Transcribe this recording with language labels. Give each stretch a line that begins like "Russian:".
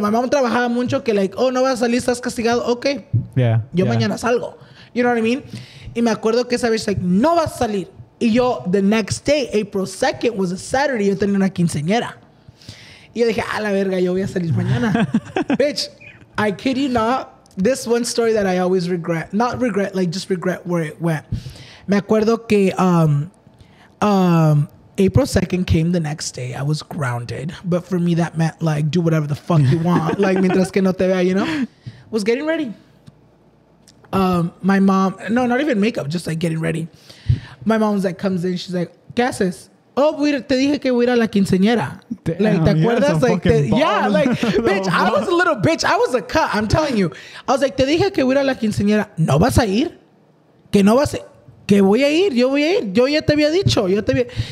English: My mom
Spanish: trabajaba mucho que, like, oh, no va a salir, estás castigado.
English: Okay.
Spanish: Yo mañana salgo.
English: You know what I mean?
Spanish: Y me acuerdo que esa vez, like, no va a salir. Y yo,
English: the next day, April 2nd, was a Saturday,
Spanish: yo tenía una quinceañera. Y yo dije, a la verga, yo voy a salir mañana.
English: Bitch, I kid you not, this one story that I always regret, not regret, like just regret where it went.
Spanish: Me acuerdo que
English: April 2nd came the next day. I was grounded. But for me, that meant like, do whatever the fuck you want. Like,
Spanish: mientras que no te vea,
English: you know? Was getting ready. My mom, no, not even makeup, just like getting ready. My mom's like, comes in, she's like,
Spanish: ¿qué haces? Oh, te dije que voy a ir a la quinceañera. Like, ¿te acuerdas?
English: Yeah, like, bitch, I was a little bitch. I was a cut. I'm telling you. I was like,
Spanish: te dije que voy a ir a la quinceañera. ¿No vas a ir? Que no vas a ir. Que voy a ir. Yo voy a ir. Yo ya te había dicho. Yo te había...